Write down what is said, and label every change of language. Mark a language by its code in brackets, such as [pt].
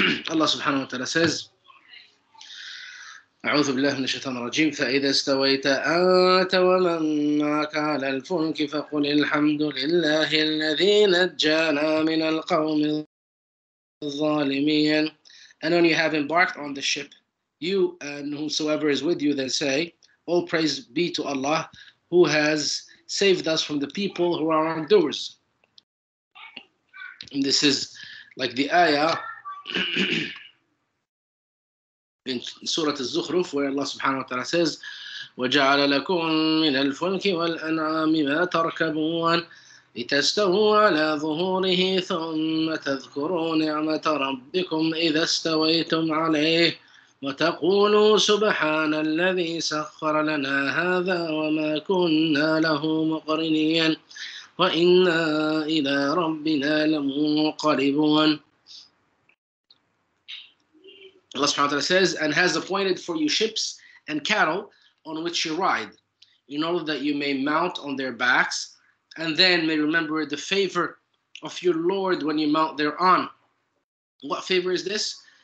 [en] Allah subhanahu wa ta'ala says, [ar] أعوذ بالله من الشيطان الرجيم فإذا استويت أنت ومن معك على الفلك فقل الحمد لله الذي نجانا من القوم الظالمين [en] And when you have embarked on the ship, you and whosoever is with you, then say, All praise be to Allah, who has saved us from the people who are wrongdoers. And this is like the ayah in Surah Al-Zukhruf, where Allah subhanahu wa ta'ala says, [ar] وَجَعَلَ لَكُمْ مِنَ الْفُلْكِ وَالْأَنْعَامِ مَا تَرْكَبُونَ لتستووا على ظهوره ثم تذكروا نعمة ربكم إذا استويتم عليه وتقولوا سبحان الذي سخر لنا هذا وما كنا له مقرنين وإنا إلى ربنا لمنقلبون [en] Allah subhanahu wa ta'ala says, and has appointed for you ships and cattle on which you ride, in order that you may mount on their backs, and then may remember the favor of your Lord when you mount thereon. What favor is this?